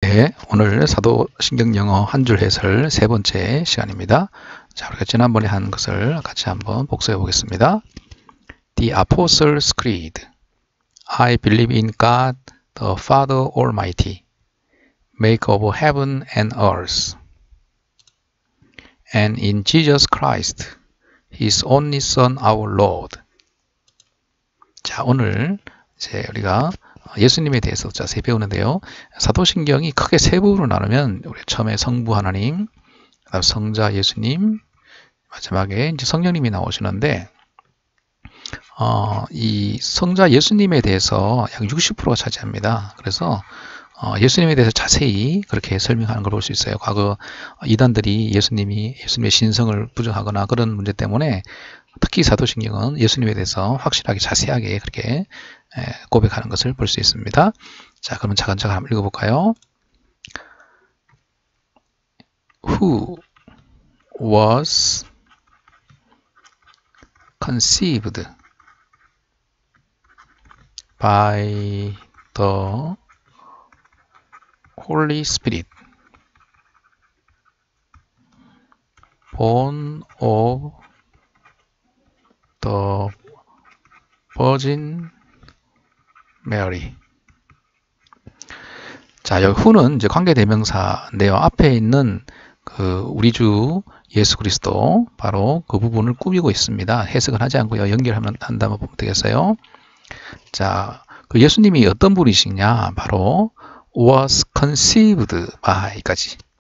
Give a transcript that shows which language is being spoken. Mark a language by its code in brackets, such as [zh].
[ko] 네, 오늘 사도신경 영어 한줄 해설 세 번째 시간입니다. 자, 우리가 지난번에 한 것을 같이 한번 복습해 보겠습니다. [en] The Apostles' Creed. I believe in God, the Father Almighty, maker of heaven and earth, and in Jesus Christ, his only Son, our Lord. [ko] 자, 오늘 이제 우리가 예수님에 대해서 자세히 배우는데요. 사도신경이 크게 세 부분으로 나누면, 우리 처음에 성부 하나님, 그다음 성자 예수님, 마지막에 이제 성령님이 나오시는데, 이 성자 예수님에 대해서 약 60%가 차지합니다. 그래서 예수님에 대해서 자세히 그렇게 설명하는 걸볼수 있어요. 과거 이단들이 예수님의 신성을 부정하거나 그런 문제 때문에 특히 사도신경은 예수님에 대해서 확실하게 자세하게 그렇게 고백하는 것을 볼수 있습니다. 자, 그러면 차근차근 한번 읽어볼까요? [en] Who was conceived by the Holy Spirit, born of the Virgin Mary. [ko] 자, 여기 who는 이제 관계대명사인데요. 앞에 있는 그 우리 주 예수 그리스도 바로 그 부분을 꾸미고 있습니다. 해석은 하지 않고요. 연결하면 한다면 보면 되겠어요. 자, 그 예수님이 어떤 분이시냐? 바로 was conceived by까지.